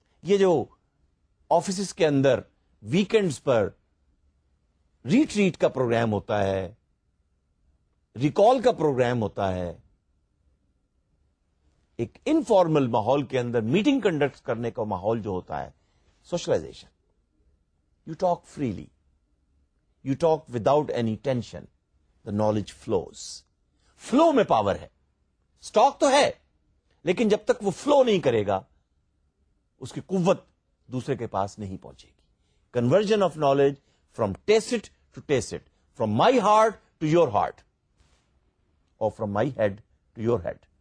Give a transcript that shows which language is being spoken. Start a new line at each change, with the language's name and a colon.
Urdu: یہ جو آفیسز کے اندر ویکینڈز پر ریٹریٹ کا پروگرام ہوتا ہے, ریکال کا پروگرام ہوتا ہے, ایک انفارمل ماحول کے اندر میٹنگ کنڈکٹ کرنے کا ماحول جو ہوتا ہے, socialisation.
English: You talk freely, you talk without any tension, the knowledge flows.
Urdu: Flu میں پاور ہے, اسٹاک تو ہے لیکن جب تک وہ فلو نہیں کرے گا اس کی قوت دوسرے کے پاس نہیں پہنچے گی.
English: conversion of knowledge from test to test, from my heart to your heart,
Urdu: اور
English: From my head to your head.